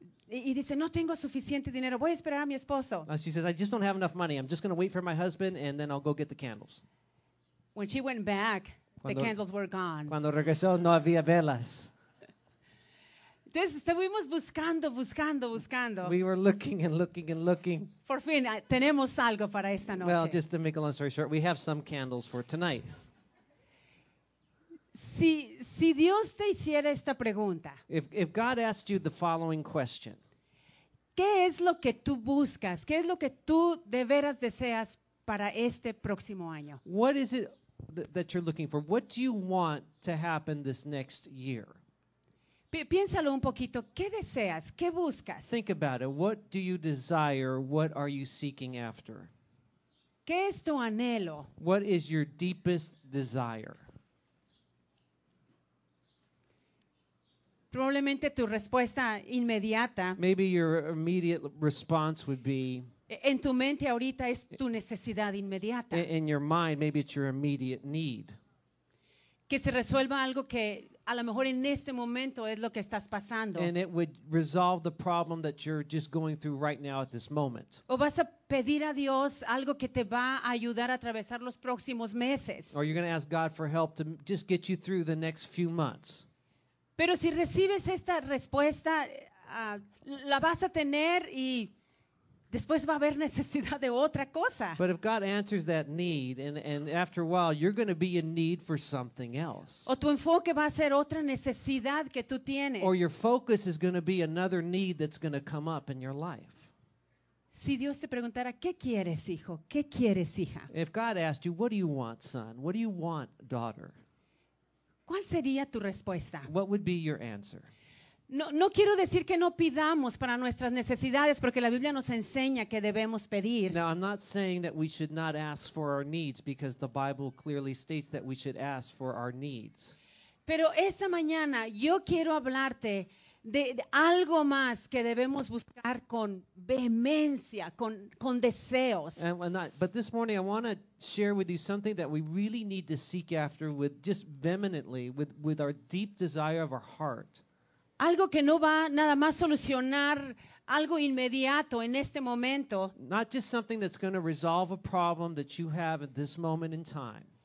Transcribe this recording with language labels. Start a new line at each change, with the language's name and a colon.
Spanish: Y dice, no tengo suficiente dinero, voy a esperar a mi esposo.
English: And she says, I just don't have enough money, I'm just going to wait for my husband and then I'll go get the candles. When she went back, the candles were gone.
Spanish: Cuando regresó, no había velas. Entonces, estuvimos buscando, buscando, buscando.
English: We were looking and looking and looking.
Spanish: Por fin, tenemos algo para esta noche.
English: Well, just to make a long story short, we have some candles for tonight.
Spanish: Si Dios te hiciera esta pregunta.
English: If God asked you the following question.
Spanish: ¿Qué es lo que tú buscas? ¿Qué es lo que tú de veras deseas para este próximo año?
English: What is it that you're looking for? What do you want to happen this next year?
Spanish: Piénsalo un poquito. ¿Qué deseas? ¿Qué buscas?
English: Think about it. What do you desire? What are you seeking after?
Spanish: ¿Qué es tu anhelo?
English: What is your deepest desire?
Spanish: Probablemente tu respuesta inmediata.
English: Maybe your immediate response would be,
Spanish: en tu mente ahorita es tu necesidad inmediata.
English: In your mind, maybe it's your immediate need.
Spanish: Que se resuelva algo que a lo mejor en este momento es lo que estás pasando.
English: And it would resolve the problem that you're just going through right now at this moment.
Spanish: O vas a pedir a Dios algo que te va a ayudar a atravesar los próximos meses.
English: Or you're going to ask God for help to just get you through the next few months.
Spanish: Pero si recibes esta respuesta, la vas a tener y después va a haber necesidad de otra cosa.
English: But if God answers that need, and after a while, you're going to be in need for something else.
Spanish: O tu enfoque va a ser otra necesidad que tú tienes.
English: Or your focus is going to be another need that's going to come up in your life.
Spanish: Si Dios te preguntara, ¿qué quieres, hijo? ¿Qué quieres, hija?
English: If God asked you, what do you want, son? What do you want, daughter?
Spanish: ¿Cuál sería tu respuesta?
English: What would be your answer?
Spanish: No quiero decir que no pidamos para nuestras necesidades porque la Biblia nos enseña que debemos pedir.
English: Now, I'm not saying that we should not ask for our needs because the Bible clearly states that we should ask for our needs.
Spanish: Pero esta mañana yo quiero hablarte de algo más que debemos buscar con vehemencia, con deseos.
English: But this morning I want to share with you something that we really need to seek after with just vehemently, with our deep desire of our heart.
Spanish: Algo que no va nada más solucionar algo inmediato en este momento.
English: Not just something that's going to resolve a problem that you have at this moment in time.